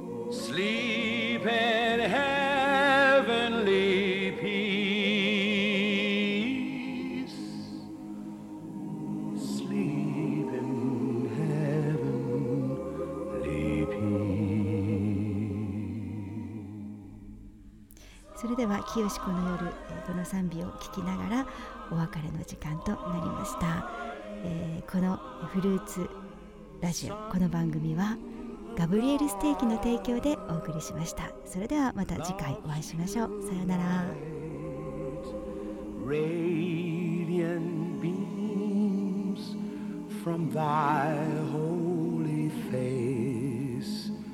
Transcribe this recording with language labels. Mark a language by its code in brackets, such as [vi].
[en] Sleep in heavenly peace. Sleep in heavenly peace. [ja] それでは清子の夜、この賛美を聴きながらお別れの時間となりました。このフルーツラジオ、この番組はガブリエルステーキの提供でお送りしました。それではまた次回お会いしましょう。さようなら。 [en] Radiant beams from thy holy face,